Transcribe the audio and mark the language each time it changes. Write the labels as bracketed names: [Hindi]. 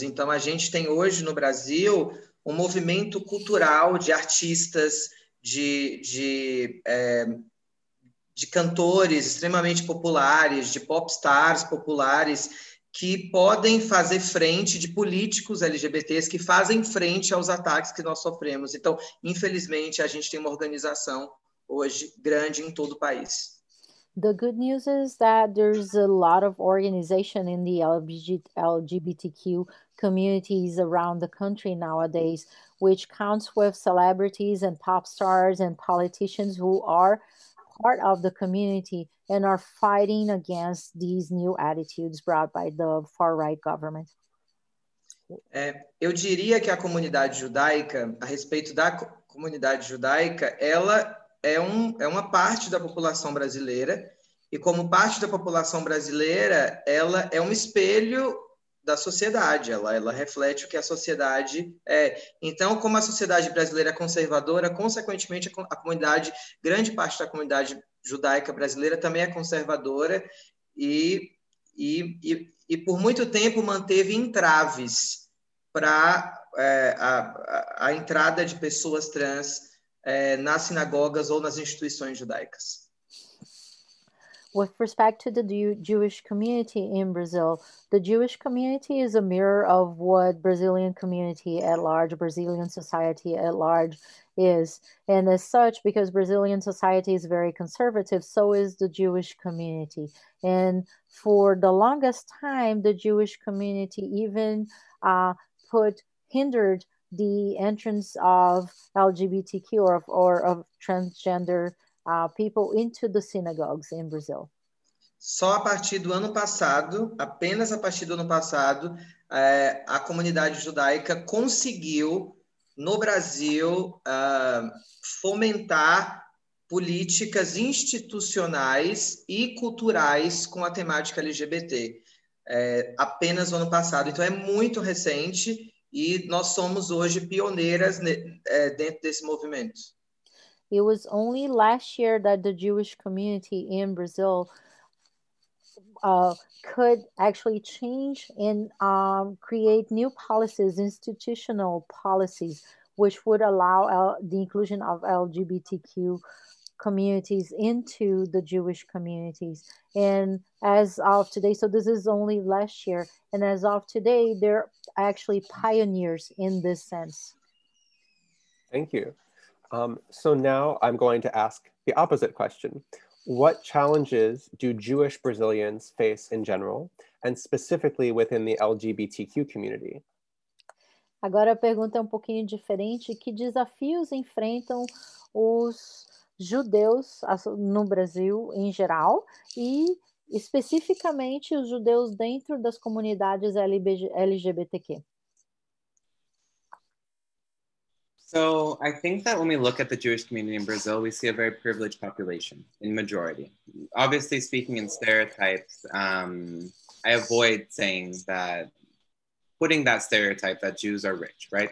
[Portuguese] Então, a gente tem hoje no Brasil um movimento cultural de artistas, de cantores extremamente populares, de pop stars populares, que podem fazer frente de políticos LGBTs, que fazem frente aos ataques que nós sofremos. Então, infelizmente, a gente tem uma organização hoje grande em todo o país. [English] The good news is that there's a lot of organization in the LGBTQ communities around the country nowadays, which counts with celebrities and pop stars and politicians who are part of the community and are fighting against these new attitudes brought by the far-right government. [Portuguese] Eu diria que a comunidade judaica, a respeito da comunidade judaica, ela é uma parte da população brasileira, e como parte da população brasileira, ela é um espelho da sociedade, ela reflete o que a sociedade é. Então, como a sociedade brasileira é conservadora, consequentemente, a comunidade, grande parte da comunidade judaica brasileira também é conservadora e por muito tempo manteve entraves para a entrada de pessoas trans nas sinagogas ou nas instituições judaicas. [English] With respect to the Jewish community in Brazil, the Jewish community is a mirror of what Brazilian community at large, Brazilian society at large is. And as such, because Brazilian society is very conservative, so is the Jewish community. And for the longest time, the Jewish community even hindered the entrance of LGBTQ or of transgender people into the synagogues in Brazil. [Portuguese] Só a partir do ano passado, apenas a partir do ano passado, a comunidade judaica conseguiu, no Brasil, fomentar políticas institucionais e culturais com a temática LGBT. Apenas no ano passado. Então, é muito recente e nós somos hoje pioneiras dentro desse movimento. [English] It was only last year that the Jewish community in Brazil could actually change and create new policies, institutional policies, which would allow the inclusion of LGBTQ communities into the Jewish communities. And as of today, so this is only last year, and as of today, they're actually pioneers in this sense. Thank you. So now I'm going to ask the opposite question. What challenges do Jewish Brazilians face in general, and specifically within the LGBTQ community? [Portuguese] Agora a pergunta é um pouquinho diferente. Que desafios enfrentam os judeus no Brasil em geral, e especificamente os judeus dentro das comunidades LGBTQ? [English] So I think that when we look at the Jewish community in Brazil, we see a very privileged population in majority. Obviously, speaking in stereotypes, I avoid saying that, putting that stereotype that Jews are rich, right?